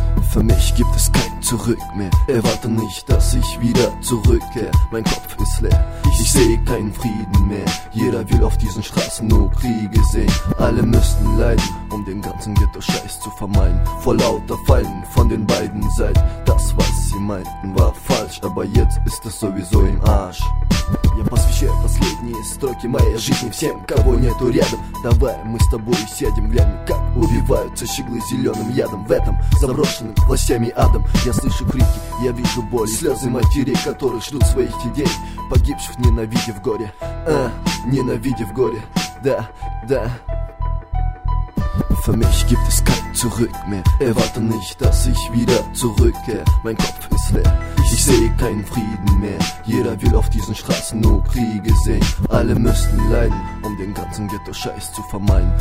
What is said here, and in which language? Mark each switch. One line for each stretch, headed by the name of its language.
German: Für mich gibt es kein Zurück mehr. Erwarte nicht, dass ich wieder zurückkehre. Mein Kopf ist leer. Ich sehe keinen Frieden mehr. Jeder will auf diesen Straßen nur Kriege sehen. Alle müssten leiden, um den ganzen Ghetto-Scheiß zu vermeiden. Vor lauter Fallen von den beiden Seiten. Das, was sie meinten, war falsch. Aber jetzt ist es sowieso im Arsch.
Russian: Я посвящаю последние строки моей жизни всем, кого нету рядом. Давай мы с тобой сядем, глянем, как убиваются щеглы зеленым ядом. В этом заброшенным властями адом я слышу крики, я вижу боль. Слезы матерей, которые ждут своих детей, погибших, ненавидя в горе. Ненавидя в горе, да, да.
German: Für mich gibt es kein Zurück mehr. Erwarte nicht, dass ich wieder zurückkehre. Mein Kopf ist leer. Ich sehe keinen Frieden mehr. Jeder will auf diesen Straßen nur Kriege sehen. Alle müssten leiden, um den ganzen Ghetto-Scheiß zu vermeiden.